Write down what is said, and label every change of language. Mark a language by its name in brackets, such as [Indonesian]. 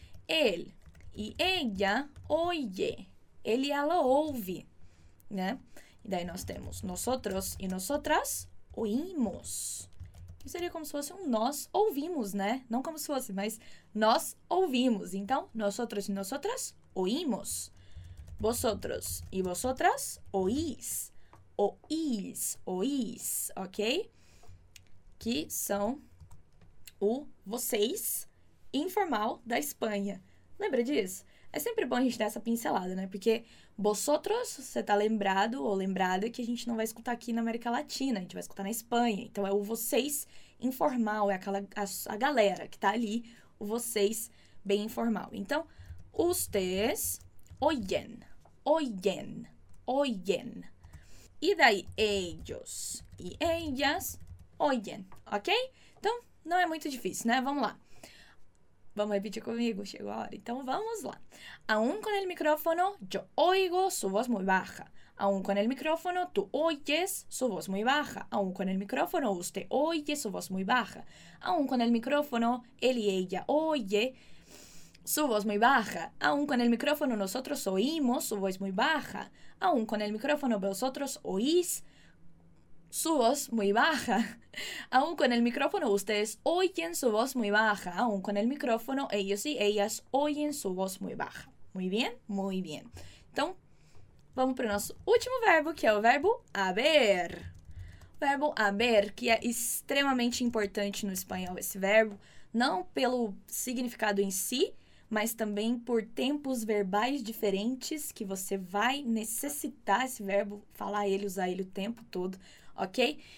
[Portuguese] Ele e [Spanish] ella oye. [Portuguese] Ele e ela ouve, né? E daí nós temos [Spanish] nosotros e nosotras oímos. [Portuguese] Isso seria como se fosse um nós ouvimos, né? Não como se fosse, mas nós ouvimos. Então, [Spanish] nosotros e nosotras oímos. Vosotros e vosotras oís. Oís, oís, ok? [Portuguese] Que são o vocês informal da Espanha. Lembra disso? É sempre bom a gente dar essa pincelada, né? Porque vosotros, você tá lembrado ou lembrada que a gente não vai escutar aqui na América Latina, a gente vai escutar na Espanha. Então é o vocês informal, é aquela a galera que tá ali, o vocês bem informal. Então, [Spanish] ustedes oyen, oyen, oyen. [Portuguese] E daí, [Spanish] ellos e ellas oyen, [Portuguese] ok? Então, não é muito difícil, né? Vamos lá. Vamos repetir comigo, chegou a hora. Então vamos lá. [Spanish] Aún con el micrófono, yo oigo su voz muy baja. Aún con el micrófono, tú oyes su voz muy baja. Aún con el micrófono, usted oye su voz muy baja. Aún con el micrófono, él y ella oye su voz muy baja. Aún con el micrófono, nosotros oímos su voz muy baja. Aún con el micrófono, vosotros oís su voz muy baja. Aún con el micrófono, ustedes oyen su voz muy baja. Aún con el micrófono, ellos y ellas oyen su voz muy baja. Muy bien, muy bien. [Portuguese] Então, vamos para o nosso último verbo, que é o verbo haber. O verbo haber, que é extremamente importante no espanhol, esse verbo, não pelo significado em si, mas também por tempos verbais diferentes que você vai necessitar esse verbo, falar ele, usar ele o tempo todo. Ok?